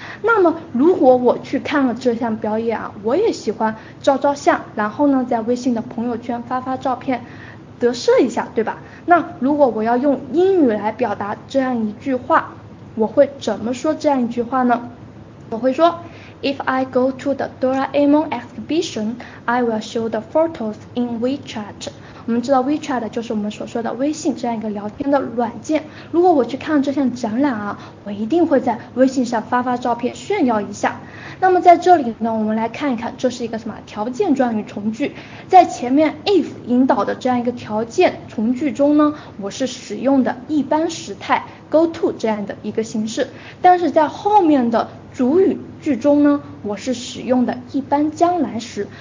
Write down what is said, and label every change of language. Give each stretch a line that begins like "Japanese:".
Chinese: 那么如果我去看了这项表演啊，我也喜欢照照相，然后呢在微信的朋友圈发发照片得瑟一下，对吧？那如果我要用英语来表达这样一句话，我会怎么说这样一句话呢？我会说
English: If I go to the Doraemon exhibition, I will show the photos in WeChat.
Chinese: 我们知道 WeChat 就是我们所说的微信这样一个聊天的软件。如果我去看这项展览啊，我一定会在微信上发发照片炫耀一下。那么在这里呢，我们来看一看，这是一个什么条件状语从句。在前面 if 引导的这样一个条件从句中呢，我是使用的一般时态 go to 这样的一个形式，但是在后面的主语句中呢，我是使用的一般将来时。